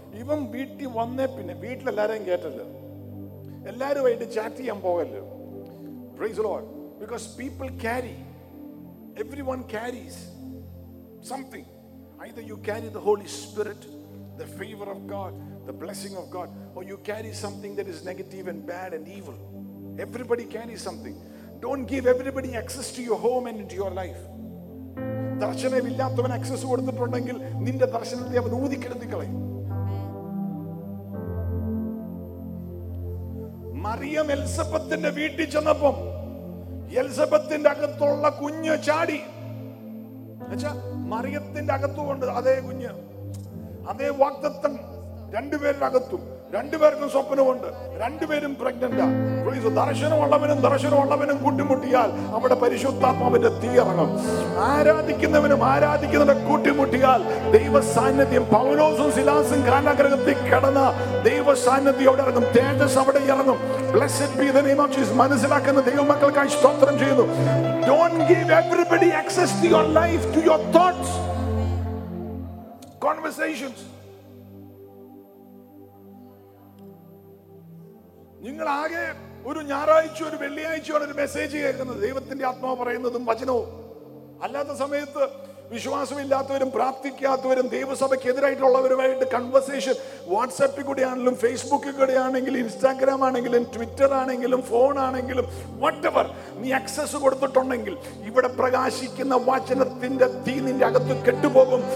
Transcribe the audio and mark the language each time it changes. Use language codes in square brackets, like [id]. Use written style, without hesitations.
[ml] ഇവൻ വീട്ടിൽ വന്നേ പിന്നെ വീട്ടിലെല്ലാരെയും കേട്ടല്ലോ, എല്ലാവരുമായിട്ട് ചാറ്റ് ചെയ്യാൻ പോകല്ലോ. [en] Praise Lord. Because people carry, every one carries something. Either you carry the Holy Spirit, the favour of God, the blessing of God, or you carry something that is negative and bad and evil. Everybody carry something. Don't give everybody access to your home and into your life. [ml] Darshane illathavan access koduthittundengil ninde darshanathe avan oodikkeduthu kalay. Mariam Elizabethinte veetil chennappom Elizabethinte agathulla kunnu chaadi acha Mariyathinte agathu kondu adhe kunnu adhe vaagdattam rendu perin agathu രണ്ടുപേർക്കും സ്വപ്നമുണ്ട്, രണ്ടുപേരും പ്രഗ്നന്റാ. Price. ദർശനമുള്ളവനും ദർശനമുള്ളവനും കൂട്ടിമുട്ടിയാൽ അവിടെ പരിശുദ്ധാത്മാവിന്റെ തീ ഇറങ്ങും. ആരാധിക്കുന്നവനും ആരാധിക്കുന്നവരെ കൂട്ടിമുട്ടിയാൽ ദൈവ സാന്നിധ്യം, പൗലോസും സിലാസും കാരണാഗ്രഹത്തിൽ കടന്ന ദൈവ സാന്നിധ്യം അവിടെ ഇറങ്ങും, തേജസ് അവിടെ ഇറങ്ങും. [en] Blessed be the name of Jesus. [ml] മനസ്സിലാക്കുന്ന ദൈവമക്കൾക്കായി സ്തോത്രം ചെയ്യുന്നു. [en] Don't give everybody access to your life, to your thoughts, conversations. [ml] നിങ്ങൾ ആകെ ഒരു ഞായറാഴ്ച ഒരു വെള്ളിയാഴ്ചയാണ് ഒരു മെസ്സേജ് കേൾക്കുന്നത്, ദൈവത്തിന്റെ ആത്മാവ് പറയുന്നതും വചനവും. അല്ലാത്ത സമയത്ത് വിശ്വാസമില്ലാത്തവരും പ്രാപ്തിക്കാത്തവരും ദൈവസഭയ്ക്ക് എതിരായിട്ടുള്ളവരുമായിട്ട് കൺവെർസേഷൻ വാട്സാപ്പിൽ കൂടെ ആണെങ്കിലും ഫേസ്ബുക്കിൽ കൂടെ ആണെങ്കിലും ഇൻസ്റ്റാഗ്രാം ആണെങ്കിലും ട്വിറ്റർ ആണെങ്കിലും ഫോൺ ആണെങ്കിലും വട്ടെവർ നീ അക്സസ് കൊടുത്തിട്ടുണ്ടെങ്കിൽ ഇവിടെ പ്രകാശിക്കുന്ന വചനത്തിന്റെ തീ നിന്റെ അകത്ത് കെട്ടുപോകും.